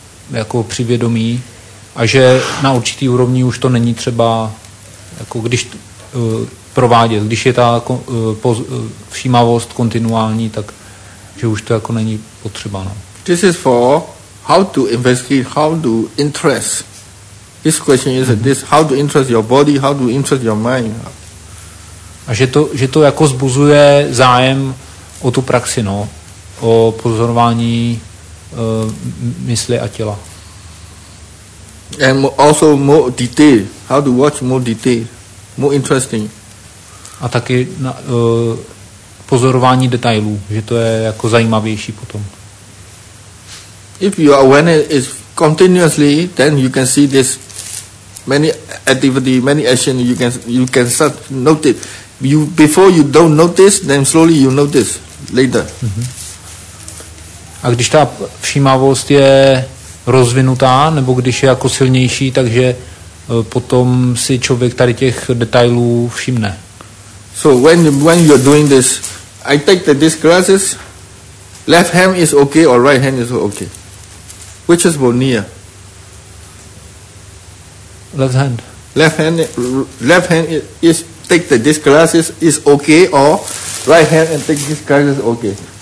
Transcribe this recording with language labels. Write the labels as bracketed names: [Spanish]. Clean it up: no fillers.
[Czech] jako při vědomí a že na určitý úrovni už to není třeba jako když provádět, když je ta všímavost kontinuální, tak že už to jako není potřeba. No. [English] This is for how to investigate, how to interest. This question is this, how to interest your body, how to interest your mind. [Czech] A že to jako zbuzuje zájem o tu praxi, no, o pozorování mysli a těla. [English] And also more detail, how to watch more detail, more interesting. [Czech] A taky na pozorování detailů, že to je jako zajímavější potom. [English] If your awareness is continuously, then you can see this many activity, many action, you can start notice. You before you don't notice, then slowly you notice later. Mm-hmm. [Czech] A když ta všímavost je rozvinutá, nebo když je jako silnější, takže potom si člověk tady těch detailů všimne. [English] So when you're doing this, I take this glasses, left hand is okay or right hand is okay? Which is more near? Left hand is take this glasses is okay or right hand and take this glasses okay?